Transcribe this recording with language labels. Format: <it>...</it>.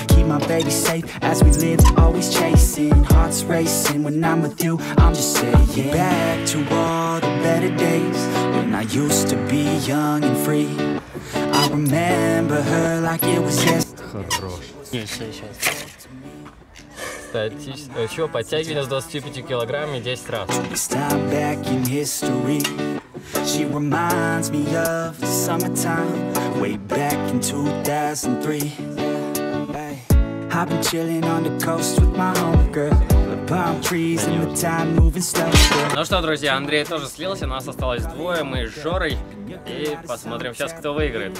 <en>Keep my baby safe as we live, always chasing. Hearts racing when I'm with you, I'm just saying. Back to all the better days when I used to be young and free. I remember her like it was yesterday.</en> <ru>Еще подтягивание с 25 килограммами 10 раз.</ru> <en>She reminds me of the summertime, way back in 2003. Hey, I've been chilling on the coast with my homegirl, the palm trees and the time moving slow.</en> <ru>Ну что, друзья, Андрей тоже слился, нас осталось двое, мы с Жорой, и посмотрим сейчас, кто выиграет.</ru>